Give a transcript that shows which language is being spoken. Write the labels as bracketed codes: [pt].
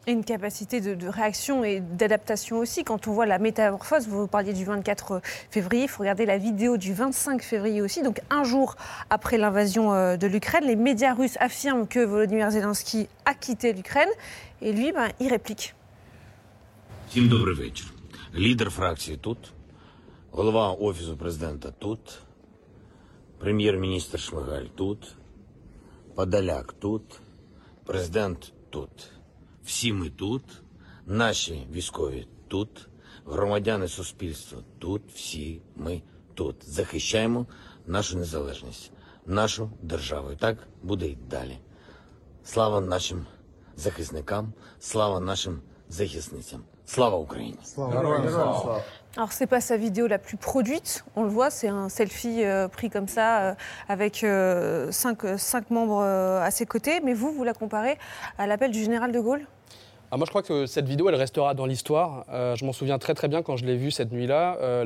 [fr] Et une capacité de réaction et d'adaptation aussi. Quand on voit la métamorphose, vous parliez du 24 février, il faut regarder la vidéo du 25 février aussi, donc un jour après l'invasion de l'Ukraine. Les médias russes affirment que Volodymyr Zelensky a quitté l'Ukraine et lui, ben, il réplique. [uk] Всім добрий вечір. Лідер фракції тут, голова офісу президента тут, прем'єр-міністр Шмигаль тут, Подоляк тут, президент тут. Всі ми тут, наші військові тут, громадяни суспільства тут, всі ми тут. Захищаємо нашу незалежність. Нашу державу. І так буде і далі. Слава нашим захисникам, слава нашим захисницям. Слава Україні! Слава! [fr] Alors, ce n'est pas sa vidéo la plus produite, on le voit, c'est un selfie pris comme ça, avec cinq membres à ses côtés, mais vous la comparez à l'appel du général de Gaulle ? Moi, je crois que cette vidéo, elle restera dans l'histoire. Je m'en souviens très, très bien quand je l'ai vue cette nuit-là.